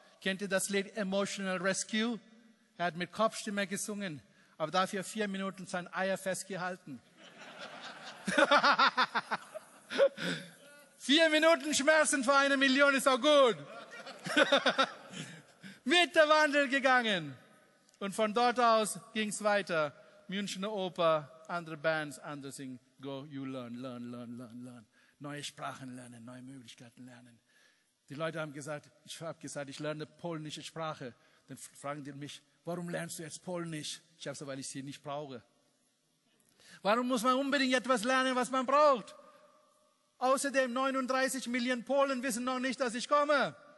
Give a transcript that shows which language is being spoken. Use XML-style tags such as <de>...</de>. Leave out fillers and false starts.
<de>Kennt ihr das Lied Emotional Rescue? Er hat mit Kopfstimme gesungen, aber dafür 4 Minuten sein Eier festgehalten. 4 Minuten Schmerzen vor 1 Million ist auch gut. Mit der Wandel gegangen. Und von dort aus ging es weiter. Münchner Oper, andere Bands, andere singen.</de> <en>Go, you learn, learn, learn, learn, learn.</en> <de>Neue Sprachen lernen, neue Möglichkeiten lernen. Die Leute haben gesagt, ich habe gesagt, ich lerne polnische Sprache. Dann fragen die mich, warum lernst du jetzt Polnisch? Ich habe gesagt, weil ich sie nicht brauche. Warum muss man unbedingt etwas lernen, was man braucht? Außerdem 39 Millionen Polen wissen noch nicht, dass ich komme.</de>